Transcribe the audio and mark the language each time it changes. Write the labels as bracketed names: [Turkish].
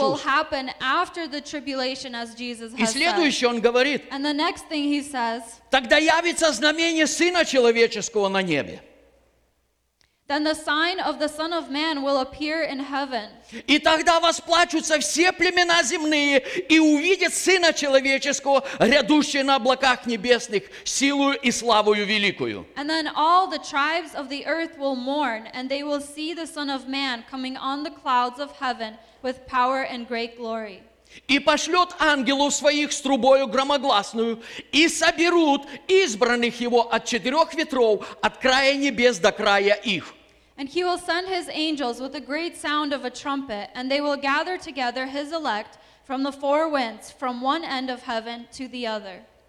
[English] Will happen after the tribulation, as Jesus has [Russian] И следующее [English] said. [Russian] Он говорит. [English] And the next thing he says, [Russian] Тогда явится знамение Сына Человеческого на небе. [English] Then the sign of the Son of Man will appear in heaven. [Russian] И тогда восплачутся все племена земные и увидят Сына Человеческого, рядущего на облаках небесных, силою и славою великою. [English] And then all the tribes of the earth will mourn, and they will see the Son of Man coming on the clouds of heaven with power and great glory. [Russian] И пошлет ангелов своих с трубою громогласную, и соберут избранных его от четырех ветров, от края небес до края их. [English] And he will send his angels with a great sound of a trumpet, and they will gather together his elect from the four winds, from one end of heaven to the other.